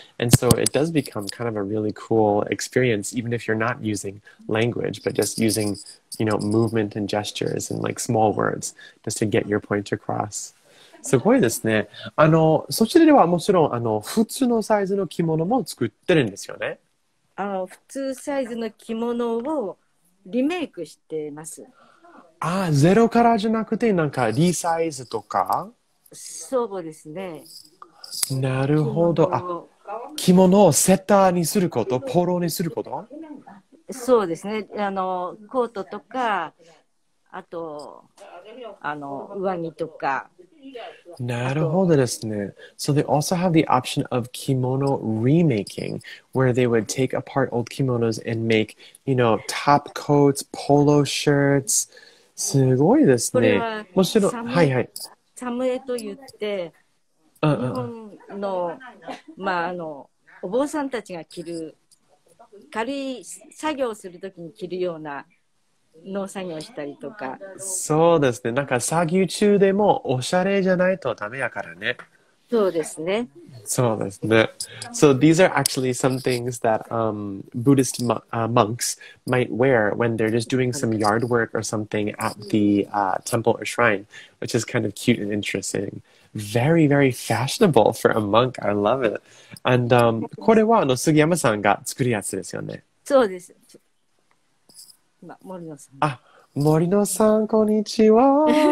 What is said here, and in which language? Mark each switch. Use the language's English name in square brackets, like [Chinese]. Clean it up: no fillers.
[English] And so it does become kind of a really cool experience, even if you're not using language, but just using, you know, movement and gestures and like small words just to get your point across. [Japanese] すごいですね。あの、そちらではもちろん、あの、普通のサイズの着物も作ってるんですよね。あ、普通サイズの着物をリメイクしてます。あ、ゼロからじゃなくて、なんかリサイズとか？そうですね。なるほど。あ、着物をセッターにすること、ポロにすること？そうですね。あの、コートとか、あと、あの、上着とか。なるほどですね。 [English] So they also have the option of kimono remaking, where they would take apart old kimonos and make, you know, top coats, polo shirts. [Japanese] すごいですね。もちろん、はいはい。サムエと言って、日本の、まあ、あの、お坊さんたちが着る、軽い作業をするときに着るような、農作業したりとか。そうですね。なんか作業中でもおしゃれじゃないとダメやからね。そうですね。そうですね。 [English] So these are actually some things that Buddhist monks might wear when they're just doing some yard work or something at the temple or shrine, which is kind of cute and interesting. Very, very fashionable for a monk. I love it. [Japanese] And これはあの杉山さんが作るやつですよね。そうです。あ、森野さん、こんにちは。